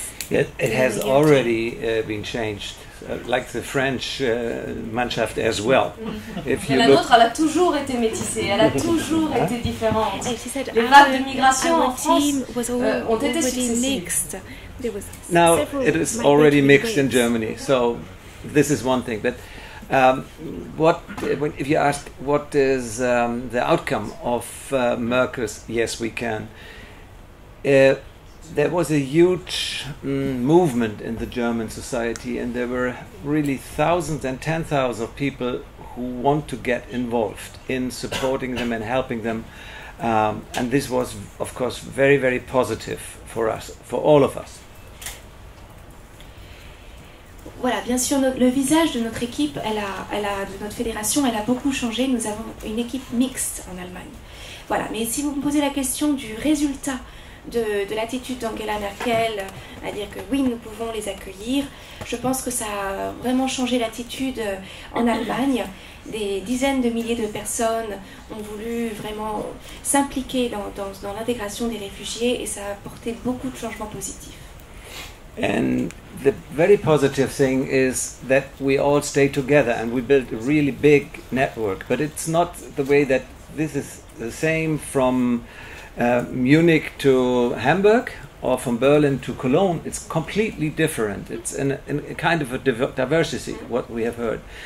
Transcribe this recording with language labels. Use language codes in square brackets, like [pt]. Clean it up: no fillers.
[en] It has already been changed. Like the French Mannschaft as well. If you look... [fr] La nôtre, elle a toujours été métissée, elle a toujours été différente. Les vagues de migration en France ont été successives. [en] Now, it is already mixed in Germany, so this is one thing. But if you ask what is the outcome of Merkel's Yes We Can, there was a huge movement in the German society, and there were really thousands and ten thousands of people who want to get involved in supporting them and helping them. And this was, of course, very, very positive for us, for all of us. [fr] Voilà, bien sûr, le visage de notre équipe, de notre fédération, elle a beaucoup changé. Nous avons une équipe mixte en Allemagne. Voilà, mais si vous me posez la question du résultat de l'attitude d'Angela Merkel à dire que oui, nous pouvons les accueillir. Je pense que ça a vraiment changé l'attitude en Allemagne. Des dizaines de milliers de personnes ont voulu vraiment s'impliquer dans l'intégration des réfugiés et ça a apporté beaucoup de changements positifs. [en] And the very positive thing is that we all stay together and we build a really big network. But it's not the way that this is the same from Munich to Hamburg or from Berlin to Cologne. It's completely different. It's in a kind of a diversity, what we have heard.